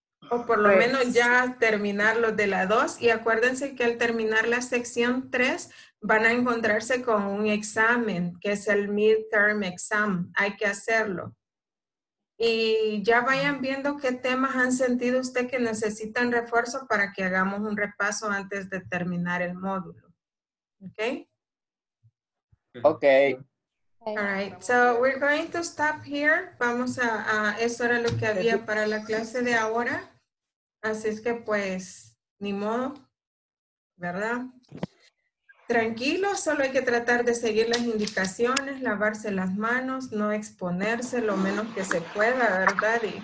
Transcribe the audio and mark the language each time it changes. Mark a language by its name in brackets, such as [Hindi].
[Spanish] O por lo menos ya terminar los de la 2. Y acuérdense que al terminar la sección 3 van a encontrarse con un examen, que es el midterm exam. Hay que hacerlo. Y ya vayan viendo qué temas han sentido usted que necesitan refuerzo para que hagamos un repaso antes de terminar el módulo. ¿Ok? Ok. [English] All right, so we're going to stop here. [Spanish] Vamos a eso era lo que había para la clase de ahora. Así es que pues, ni modo, ¿verdad? Tranquilo, solo hay que tratar de seguir las indicaciones, lavarse las manos, no exponerse lo menos que se pueda, ¿verdad?